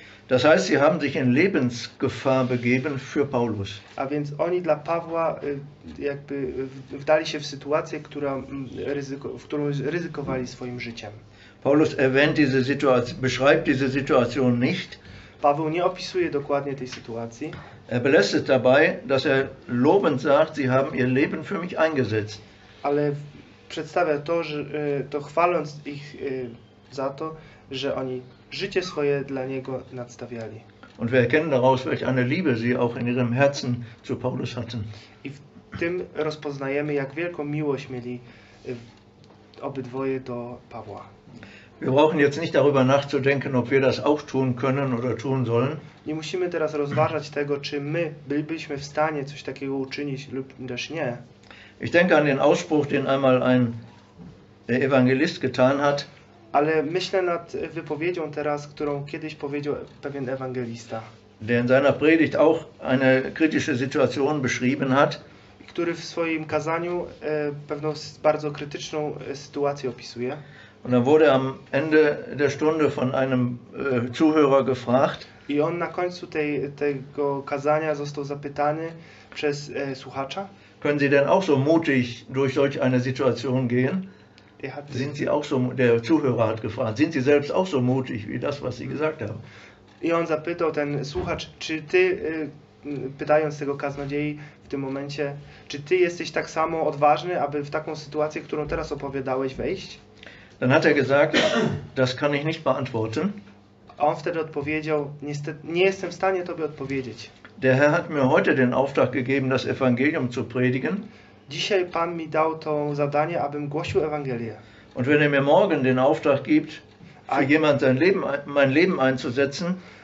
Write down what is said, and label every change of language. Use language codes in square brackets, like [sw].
[de] Das heißt, sie haben sich in Lebensgefahr begeben für Paulus. [pl] A więc oni dla Pawła jakby wdali się w sytuację, która w którą ryzykowali swoim życiem. [de] Paulus erwähnt diese Situation, beschreibt diese Situation nicht. [pl] Paweł nie opisuje dokładnie tej sytuacji. [de] Er belässt es dabei, dass er lobend sagt, sie haben ihr Leben für mich eingesetzt. [pl] Ale przedstawia to, że to chwaląc ich za to, że oni życie swoje dla niego nadstawiali. [de] Und wir erkennen daraus, welche eine Liebe sie auch in ihrem Herzen zu Paulus hatten. [pl] I w tym rozpoznajemy, jak wielką miłość mieli obydwoje do Pawła. [de] Wir brauchen jetzt nicht darüber nachzudenken, ob wir das auch tun können oder tun sollen. [pl] Nie musimy teraz rozważać tego, czy my bylibyśmy w stanie coś takiego uczynić lub też nie. [de] Ich denke an den Ausspruch, den einmal ein Evangelist getan hat. [pl] Ale myślę nad wypowiedzią teraz, którą kiedyś powiedział pewien ewangelista. [de] Der in seiner Predigt auch eine kritische Situation beschrieben hat. [pl] Który w swoim kazaniu pewną bardzo krytyczną sytuację opisuje. [de] Und dann wurde am Ende der Stunde von einem Zuhörer gefragt. [pl] I on na końcu tego kazania został zapytany przez słuchacza. [de] Können Sie denn auch so mutig durch solch eine Situation gehen? Sind Sie auch so, der Zuhörer hat gefragt, sind Sie selbst auch so mutig wie das, was Sie gesagt haben? [pl] I on zapytał ten słuchacz, czy ty, pytając tego kaznodziei w tym momencie, czy ty jesteś tak samo odważny, aby w taką sytuację, którą teraz opowiadałeś, wejść? [de] Dann hat er gesagt, das kann ich nicht beantworten. [pl] On wtedy odpowiedział, niestety, nie jestem w stanie tobie odpowiedzieć. [de] Der Herr hat mir heute den Auftrag gegeben, das Evangelium zu predigen. [pl] Dzisiaj Pan mi dał to zadanie, abym głosił Ewangelię. [de] Und wenn er mir morgen den Auftrag gibt, für jemand sein Leben, mein Leben einzusetzen,